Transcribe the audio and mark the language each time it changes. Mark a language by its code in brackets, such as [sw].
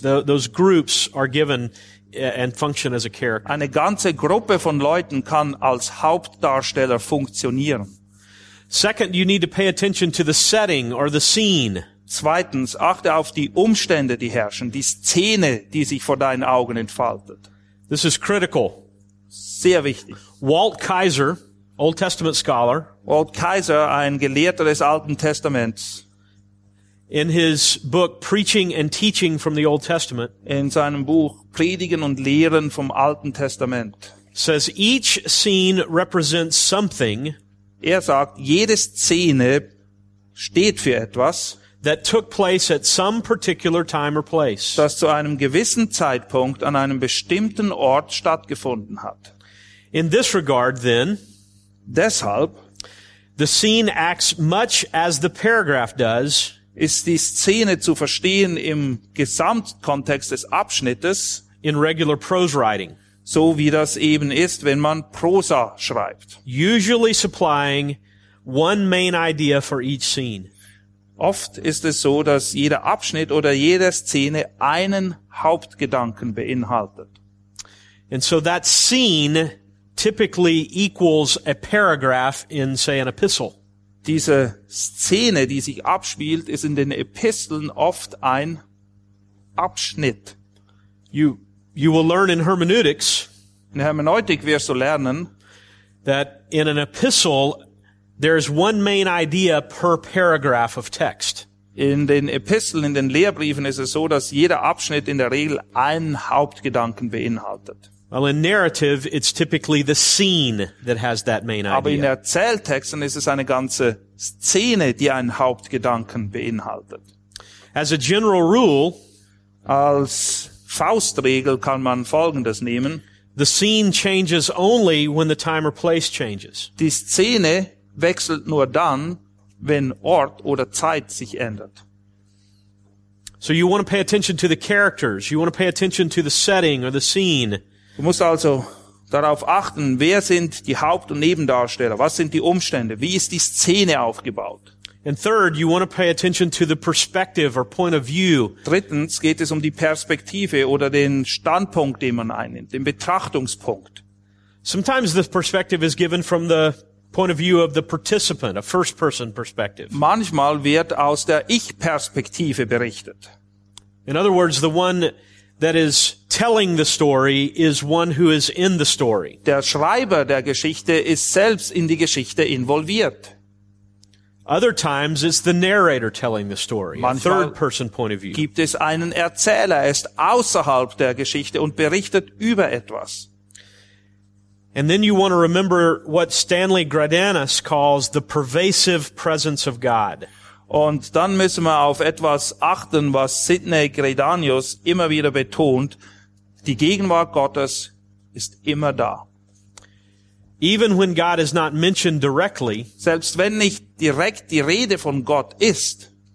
[en] Those groups are given and function as a character. [de] Eine ganze Gruppe von Leuten kann als Hauptdarsteller funktionieren. [en] Second, you need to pay attention to the setting or the scene. [de] Zweitens, achte auf die Umstände, die herrschen, die Szene, die sich vor deinen Augen entfaltet. [en] This is critical. [de] Sehr wichtig. [en] Walt Kaiser, Old Testament scholar. [de] Walt Kaiser, ein Gelehrter des Alten Testaments. [en] In his book Preaching and Teaching from the Old Testament. [de] In seinem Buch Predigen und Lehren vom Alten Testament. [en] Says each scene represents something. [de] Er sagt, jede Szene steht für etwas, [en] that took place at some particular time or place, [de] das zu einem gewissen Zeitpunkt an einem bestimmten Ort stattgefunden hat. [en] In this regard, then, [de] deshalb, [en] the scene acts much as the paragraph does, [de] ist die Szene zu verstehen im Gesamtkontext des Abschnittes, [en] in regular prose writing. [de] So wie das eben ist, wenn man Prosa schreibt. [en] Usually supplying one main idea for each scene. [de] Oft ist es so, dass jeder Abschnitt oder jede Szene einen Hauptgedanken beinhaltet. [en] And so that scene typically equals a paragraph in, say, an epistle. [de] Diese Szene, die sich abspielt, ist in den Episteln oft ein Abschnitt. [en] You will learn in hermeneutics, [de] in Hermeneutik wirst du lernen, [en] that in an epistle there is one main idea per paragraph of text. [de] In den Episteln, in den Lehrbriefen ist es so, dass jeder Abschnitt in der Regel einen Hauptgedanken beinhaltet. [en] Well, in narrative it's typically the scene that has that main idea. [de] Aber in Erzähltexten ist es eine ganze Szene, die einen Hauptgedanken beinhaltet. [en] As a general rule, [de] als Faustregel kann man Folgendes nehmen. [en] The scene changes only when the time or place changes. [de] Die Szene wechselt nur dann, wenn Ort oder Zeit sich ändert. [en] So you want to pay attention to the characters. You want to pay attention to the setting or the scene. [de] Du musst also darauf achten, wer sind die Haupt- und Nebendarsteller? Was sind die Umstände? Wie ist die Szene aufgebaut? [en] And third, you want to pay attention to the perspective or point of view. [de] Drittens geht es um die Perspektive oder den Standpunkt, den man einnimmt, den Betrachtungspunkt. [en] Sometimes the perspective is given from the point of view of the participant, a first-person perspective. [de] Manchmal wird aus der Ich-Perspektive berichtet. [en] In other words, the one that is telling the story is one who is in the story. [de] Der Schreiber der Geschichte ist selbst in die Geschichte involviert. [en] Other times it's the narrator telling the story, [de] manchmal [en] a third-person point of view. [de] Gibt es einen Erzähler, er ist außerhalb der Geschichte und berichtet über etwas. [en] And then you want to remember what Stanley Gradanus calls the pervasive presence of God. [de] Und dann müssen wir auf etwas achten, was Sidney Gradanus immer wieder betont. Die Gegenwart Gottes ist immer da. [en] Even when God is not mentioned directly, [de] selbst wenn nicht direkt die Rede von Gott ist,